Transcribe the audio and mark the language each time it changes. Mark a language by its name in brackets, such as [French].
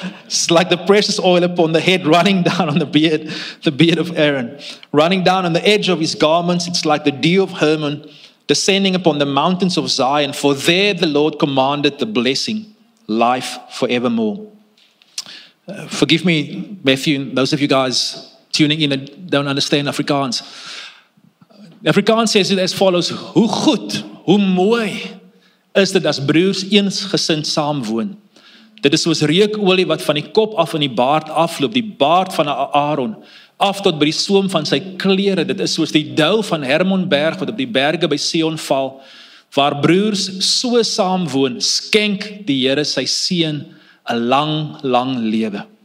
[English] It's like the precious oil upon the head running down on the beard of Aaron, running down on the edge of his garments. It's like the dew of Hermon descending upon the mountains of Zion. For there the Lord commanded the blessing, life forevermore. Forgive me, Matthew, those of you guys tuning in that don't understand Afrikaans. Afrikaans says it as follows: [Afrikaans] Hoe goed, hoe mooi is dit as broers eensgesind saamwoon. Dit is soos reukolie wat van die kop af in die baard afloop, die baard van Aaron, af tot by die soom van sy klere. Dit is soos die dou van Hermonberg wat op die berge by Sion val, waar broers so saamwoon, skenk die Here sy seën [English] a long, long [Afrikaans] lewe.